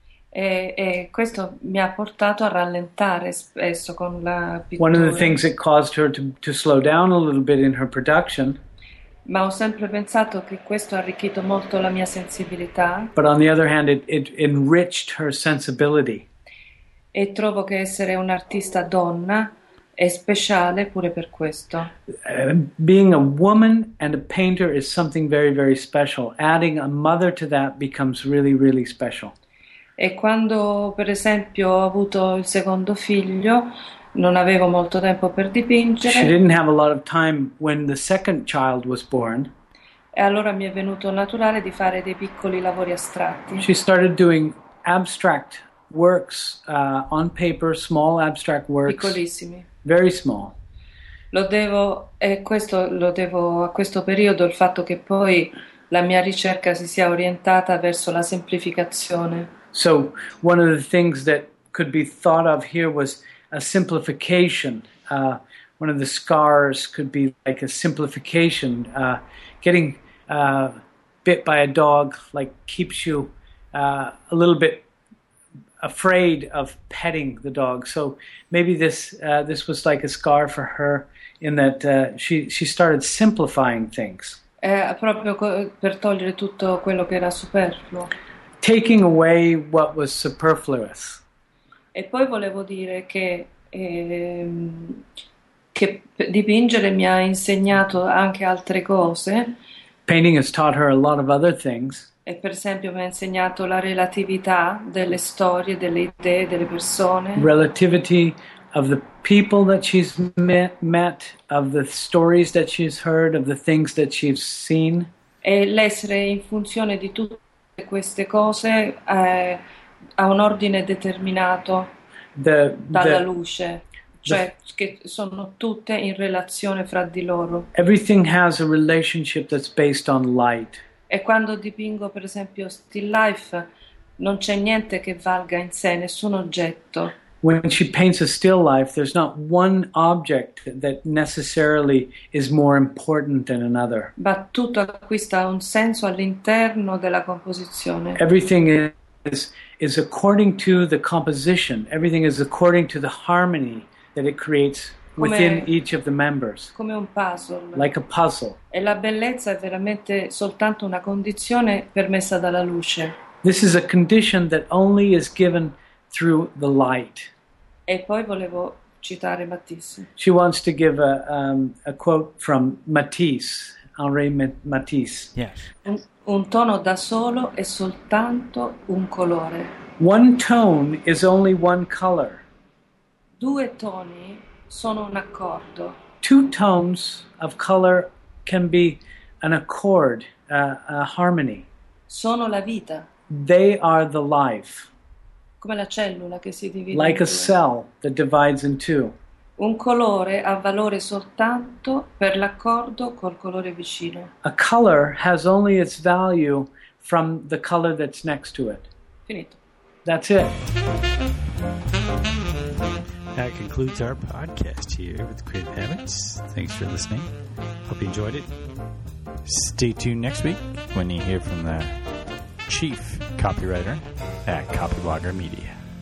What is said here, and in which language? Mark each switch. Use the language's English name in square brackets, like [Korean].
[Italian] E questo mi ha portato a rallentare spesso con la pittura. [English] One of the things that caused her to slow down a little bit in her production. [Italian] Ma ho sempre pensato che questo ha arricchito molto la mia sensibilità. [English] But on the other hand, it enriched her sensibility. [Italian] E trovo che essere un'artista donna è speciale pure per questo. [English] Being a woman and a painter is something very, very special. Adding a mother to that becomes really, really special. [Italian] E quando, per esempio, ho avuto il secondo figlio, non avevo molto tempo per dipingere. [English] She didn't have a lot of time when the second child was born. [Italian] E allora mi è venuto naturale di fare dei piccoli lavori astratti. [English] She started doing abstract works on paper, small abstract works. [Italian] Piccolissimi. [English] Very small. [Italian] Lo devo, e questo lo devo a questo periodo, il fatto che poi la mia ricerca si sia orientata verso la semplificazione. [English] So one of the things that could be thought of here was a simplification. One of the scars could be like a simplification. Getting bit by a dog like keeps you a little bit afraid of petting the dog. So maybe this was like a scar for her in that she started simplifying things. [Italian] Proprio per togliere tutto quello che era superfluo. [English] Taking away what was superfluous. [Italian] E poi volevo dire che dipingere mi ha insegnato anche altre cose. [English] Painting has taught her a lot of other things. [Italian] E per esempio mi ha insegnato la relatività delle storie, delle idee, delle persone. [English] Relativity of the people that she's met, of the stories that she's heard, of the things that she's seen. [Italian] E l'essere in funzione di tutte queste cose ha un ordine determinato dalla luce, cioè che sono tutte in relazione fra di loro. [English] Everything has a relationship that's based on light. [Italian] E quando dipingo, per esempio, still life, non c'è niente che valga in sé, nessun oggetto. [English] When she paints a still life, there's not one object that necessarily is more important than another. [Italian] Ma tutto acquista un senso all'interno della composizione. [English] Everything is according to the composition, everything is according to the harmony that it creates within [Italian] Come [English] each of the members, [Italian] un puzzle. [English] like a puzzle. [Italian] E la bellezza è veramente soltanto una condizione permessa dalla luce. [English] This is a condition that only is given through the light. [Italian] E poi volevo citare Matisse. [English] She wants to give a quote from Matisse, Henri Matisse. Yes. [Italian] Un tono da solo è soltanto un colore. [English] One tone is only one color. [Italian] Due toni sono un accordo. [English] Two tones of color can be an accord, a harmony. [Italian] Sono la vita, come [English] They are the life. [Italian] la cellula che si divide [English] Like in a cell that divides in two. [Italian] Un colore ha valore soltanto per l'accordo col colore vicino. [English] A color has only its value from the color that's next to it. [Italian] Finito. [English] That's it. That concludes our podcast here with Creative Habits. Thanks for listening. Hope you enjoyed it. Stay tuned next week when you hear from the chief copywriter at Copyblogger Media.